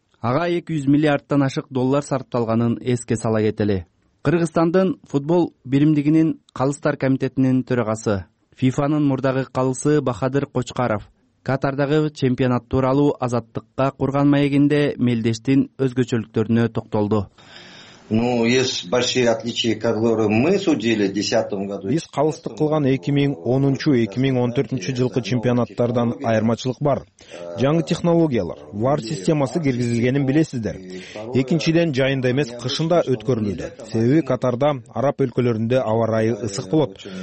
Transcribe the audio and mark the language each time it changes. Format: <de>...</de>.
<ky>Ага 200 миллиарддан ашык доллар сарпталганын эске сала кетели. Кыргызстандын футбол биримдигинин калыстар комитетинин төрагасы, ФИФАнын мурдагы калысы Бахадыр Кочкаров Катардагы чемпионат тууралуу азаттыкка курган маегинде мелдештин өзгөчөлүктөрүнө токтолду.</ky> <ru>Ну, есть большие отличия, которые мы судили в 2010 году.</ru> <ky>Биз калыстык кылган 2010-2014 жылкы чемпионаттардан айырмачылык бар. Жаңы технологиялар, VAR системасы киргизилгенин билесиздер. Экинчиден жайында эмес кышында өткөрүлүүдө. Себеби Катарда араб өлкөлөрүндө аба ырайы ысык болот.</ky>